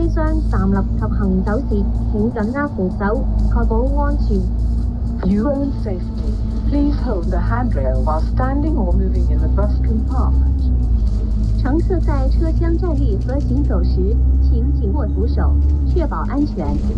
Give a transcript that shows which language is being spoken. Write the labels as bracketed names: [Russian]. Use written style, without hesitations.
[Chinese] 箱站立及行走时，请紧握扶手，确保安全。 [English] Your own safety. Please hold the handrail while standing or moving in the bus compartment. [Chinese] 乘客在车厢站立和行走时，请紧握扶手，确保安全。